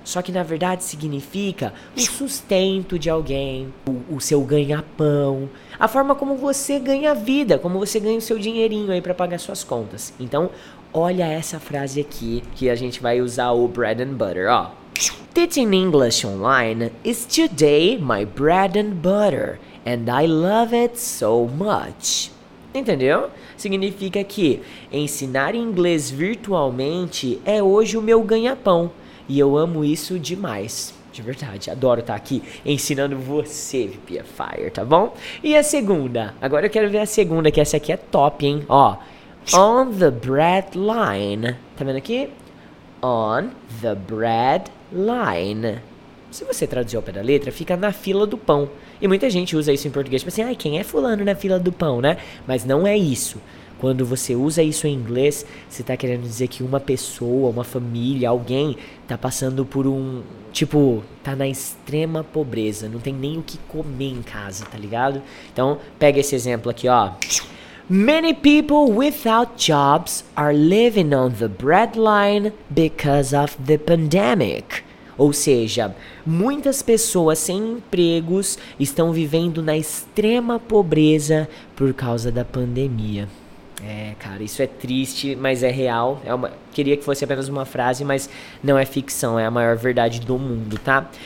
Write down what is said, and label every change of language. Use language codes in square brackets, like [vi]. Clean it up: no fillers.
[pt] Só que na verdade significa o sustento de alguém, o seu ganha-pão, a forma como você ganha a vida, como você ganha o seu dinheirinho aí pra pagar suas contas. Então, olha essa frase aqui que a gente vai usar o bread and butter, ó. [en] Teaching English online is today my bread and butter and I love it so much. [pt] Entendeu? Significa que ensinar inglês virtualmente é hoje o meu ganha-pão e eu amo isso demais. verdade, verdade. Adoro estar aqui ensinando você, Via Fire, tá bom? E a segunda? Agora eu quero ver a segunda, que essa aqui é top, hein? Ó, on the bread line. Tá vendo aqui? On the bread line. Se você traduzir ao pé da letra, fica na fila do pão. E muita gente usa isso em português, tipo assim, ai, quem é fulano na fila do pão, né? Mas não é isso. Quando você usa isso em inglês, você tá querendo dizer que uma pessoa, uma família, alguém tá passando por um... Tipo, tá na extrema pobreza, não tem nem o que comer em casa, tá ligado? Então, pega esse exemplo aqui, ó. [en] Many people without jobs are living on the breadline because of the pandemic. [pt] Ou seja, muitas pessoas sem empregos estão vivendo na extrema pobreza por causa da pandemia. É, cara, isso é triste, mas é real. É uma... Queria que fosse apenas uma frase, mas não é ficção, é a maior verdade do mundo, tá?